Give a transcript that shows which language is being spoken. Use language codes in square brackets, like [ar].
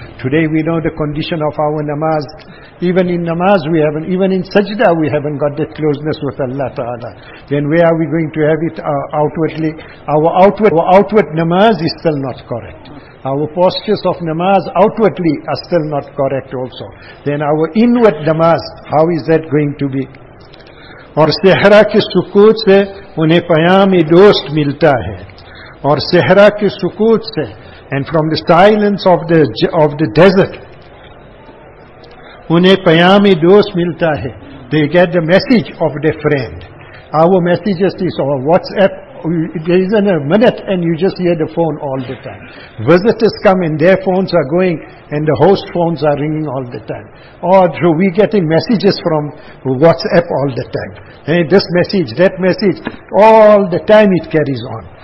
[en] Today we know the condition of our namaz. Even in namaz we haven't, even in sajda we haven't got that closeness with Allah Ta'ala. Then where are we going to have it outwardly? Our outward namaz is still not correct. Our postures of namaz outwardly are still not correct also. Then our inward namaz, how is that going to be? [ur] اور سہرہ کے سکوت سے انہیں پیام دوست ملتا ہے. اور سہرہ کے سکوت سے, [en] and from the silence of the desert, [ur] انہیں پیام دوست ملتا ہے. [en] They get the message of their friend. Our messages is on WhatsApp. There isn't a minute and you just hear the phone all the time. Visitors come and their phones are going and the host phones are ringing all the time. Or through, we getting messages from WhatsApp all the time. Hey, this message, that message, all the time it carries on.